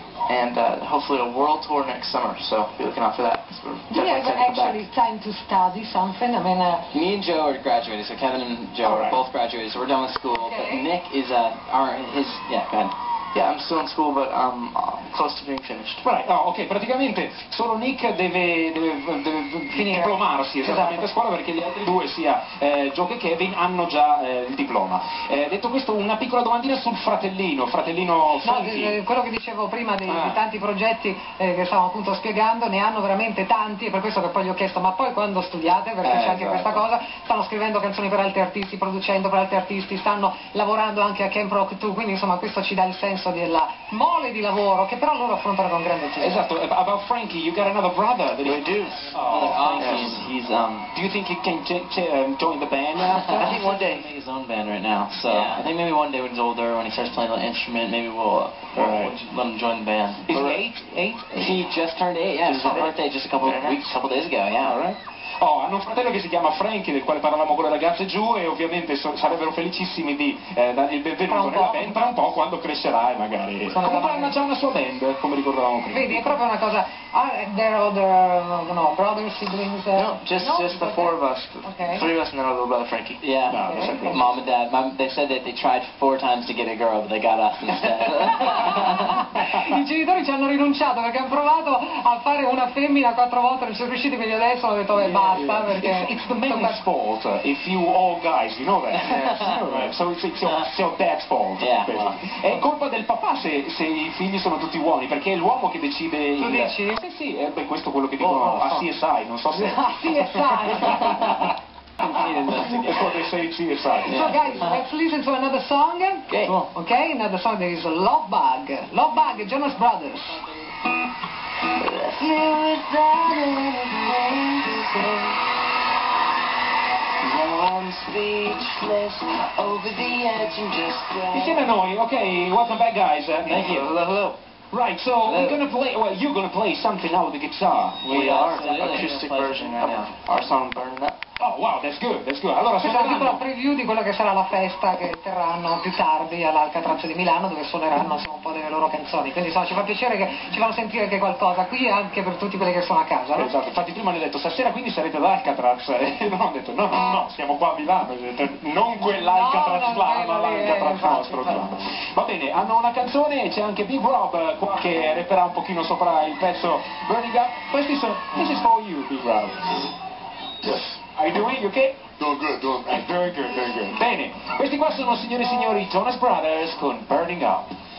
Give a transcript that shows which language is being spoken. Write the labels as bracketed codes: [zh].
[en] And hopefully a world tour next summer, so be looking out for that. Do you have actually time to study something? I mean, me and Joe are graduating, so Kevin and Joe are both graduating, so we're done with school. Okay. But Nick is, go ahead. Yeah, I'm still in school, but close to being finished. Right, oh, [it] ok, praticamente solo Nick deve finire. Diplomarsi esattamente a scuola perché gli altri due, sia Joe che Kevin, hanno già il diploma. Detto questo, una piccola domandina sul fratellino Frankie. No, quello che dicevo prima di tanti progetti che stavo appunto spiegando, ne hanno veramente tanti, e per questo che poi gli ho chiesto, ma poi quando studiate, perché c'è anche questa cosa, stanno scrivendo canzoni per altri artisti, producendo per altri artisti, stanno lavorando anche a Camp Rock 2, quindi insomma questo ci dà il senso della mole di lavoro che però loro affrontano con grande successo. Esatto. [en] About Frankie, you got another brother. We do. Oh, yes. He's do you think he can join the band now? I think one day. He's making his own band right now. So yeah. I think maybe one day when he's older, when he starts playing an instrument, maybe we'll let him join the band. Is he eight? He just turned eight. Yeah, his birthday just a couple days ago. Yeah. All right. [it] Oh, hanno un fratello che si chiama Frankie, del quale parlavamo con le ragazze giù, e ovviamente sarebbero felicissimi di dargli il benvenuto nella band tra un po', quando crescerà e magari... Comunque hanno già una sua band, come ricordavamo prima. Vedi, è proprio una cosa... [en] there are other, brothers, siblings... Just the four of us. Okay. Three of us and then our little brother Frankie. Yeah. No, okay. Mom and dad. They said that they tried four times to get a girl, but they got us instead. [it] I genitori ci hanno rinunciato perché hanno provato a fare una femmina quattro volte, non ci sono riusciti, quindi adesso hanno detto, beh, [en] It's the men's fault, if you all guys, you know that. Yes. So it's your dad's fault. Yeah. [it] È colpa del papà se i figli sono tutti uomini, perché è l'uomo che decide... Tu dici? Sì, beh, questo è quello che dicono a CSI, non so se... A CSI! [en] That's what they say in CSI. So guys, let's listen to another song. Okay, another song that is Lovebug. Lovebug, Jonas Brothers. Left me without anything to say. Now I'm speechless over the edge and just dying. [it] Insieme a noi, [en] okay, welcome back guys. Thank you. Hello. Right, so we're gonna play, you're gonna play something now with the guitar. We are, acoustic version right now. Our song, Burnin'Up. Oh wow, that's good, that's good. [it] Allora, questa è una preview di quella che sarà la festa che terranno più tardi all'Alcatraz di Milano, dove suoneranno un po' delle loro canzoni. Quindi insomma, ci fa piacere che ci fanno sentire anche qualcosa qui, anche per tutti quelli che sono a casa, no? Esatto, infatti prima gli ho detto stasera quindi sarete all'Alcatraz, e non ho detto no, no, no, siamo qua a Milano, non quell'Alcatraz, no, là, ma l'Alcatraz nostro. Va bene, hanno una canzone, c'è anche Big Rob qua che rapperà un pochino sopra il pezzo Burning Up. Questi sono, [en] this is for you, Big Rob. Yes. Are you doing? You okay? Doing good, doing good. Very good, very good. [it] Bene, questi qua sono signori e signori Jonas Brothers con Burning Up.